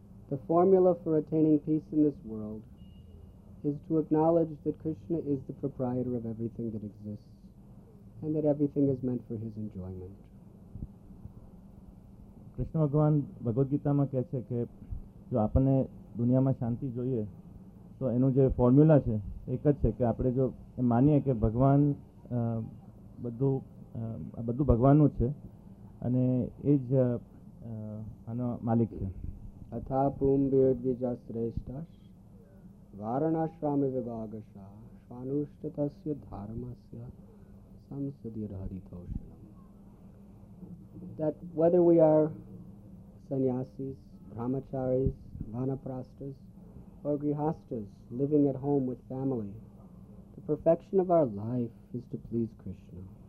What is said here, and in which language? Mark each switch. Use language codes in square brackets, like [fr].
[en] The formula for attaining peace in this world is to acknowledge that Krishna is the proprietor of everything that exists and that everything is meant for his enjoyment. [gu] Krishna ભગવાન ભગવદ્ ગીતામાં કહે છે કે જો આપણને દુનિયામાં શાંતિ જોઈએ તો એનું જે ફોર્મ્યુલા છે એક જ છે કે આપણે જો એ માનીએ કે ભગવાન બધું ભગવાનનું છે અને એ જ આનો માલિક છે. [sa] અથા પૂમ બિરજા શ્રેષ્ઠ વારણાશ્રમ વિભાગ શ્વાનુષ્ટતસ્ય ધર્મસ્ય સંસદિ હરિતોષણ. [en] That whether we are sannyasis, brahmacharis, vanaprastas, or grihastas living at home with family, the perfection of our life is to please Krishna.